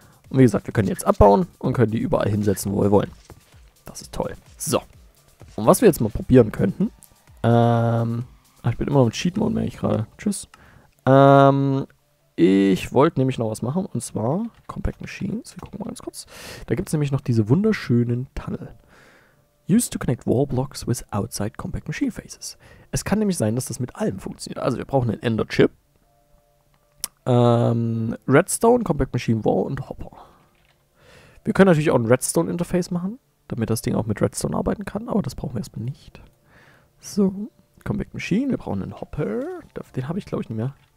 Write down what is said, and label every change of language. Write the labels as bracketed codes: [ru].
[de] Und wie gesagt, wir können jetzt abbauen und können die überall hinsetzen, wo wir wollen. Das ist toll. So. Und was wir jetzt mal probieren könnten. Ich bin immer noch im Cheat Mode, merke ich gerade. Tschüss. Ich wollte nämlich noch was machen und zwar Compact Machines. Wir gucken mal ganz kurz. Da gibt es nämlich noch diese wunderschönen Tunnel. [en] Used to connect wall blocks with outside compact machine faces. [de] Es kann nämlich sein, dass das mit allem funktioniert. Also wir brauchen einen Ender Chip. Redstone, Compact Machine Wall und Hopper. Wir können natürlich auch ein Redstone Interface machen, damit das Ding auch mit Redstone arbeiten kann, aber das brauchen wir erstmal nicht. So, Compact Machine, wir brauchen einen Hopper. Den habe ich glaube ich nicht mehr.